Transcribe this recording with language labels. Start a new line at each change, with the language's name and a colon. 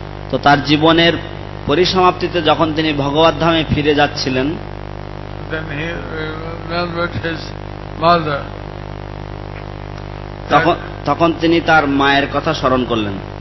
Bangla: তো তার জীবনের পরিসমাপ্তিতে যখন তিনি ভগবত ধামে ফিরে যাচ্ছিলেন,
English: then he knelt with his mother.
Bangla: তখন তিনি তার মায়ের কথা স্মরণ করলেন.